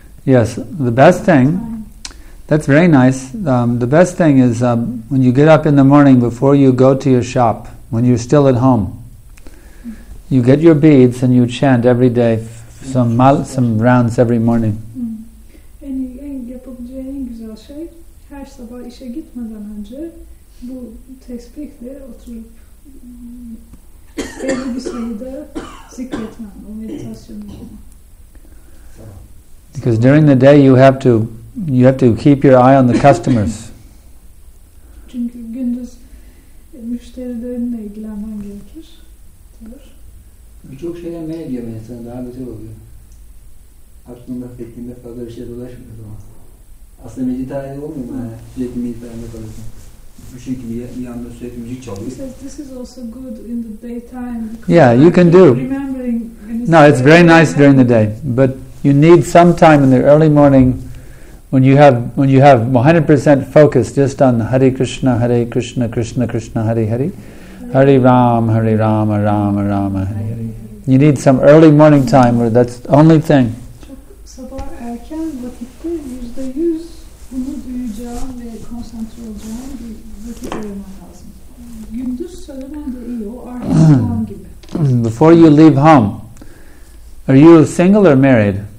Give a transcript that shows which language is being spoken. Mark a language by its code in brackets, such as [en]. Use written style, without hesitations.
[en] Yes, the best thing... That's very nice. The best thing is when you get up in the morning before you go to your shop, when you're still at home, you get your beads and you chant every day some rounds every morning. [tr] En yapabileceği en güzel şey her sabah işe gitmeden önce bu tesbihle oturup belli bir sayıda zikretmen, o meditasyon için. [en] Because during the day you have to keep your eye on the customers. [tr] Çünkü gündüz müşterilerinle ilgilenmen gerekir. Birçok şeyden ne ediyor ben insanı daha güzel oluyor. Aklımda fikrimde fazla bir şey dolaşmıyor o zaman. Aslında meditasyon olmuyor mu? Sürekli meditasyonda kalıyorsun. Bu şekilde bir yandan sürekli müzik çalıyor. [en] Says, this is also good in the daytime. Yeah, you can do. Remembering. No, it's very nice during the day. But you need some time in the early morning when you have 100% focus just on Hare Krishna, Hare Krishna, Krishna Krishna, Hare Hare, Hare Rama, Hare Rama, Rama Rama, Hare Hare. You need some early morning time where that's the only thing. [tr] Çok sabah erken vakitte %100 bunu duyacağım ve konsantre olacağım bir vakit olmam lazım. Gündüz söylemem de iyi, o artık son gibi. [en] Before you leave home, are you single or married?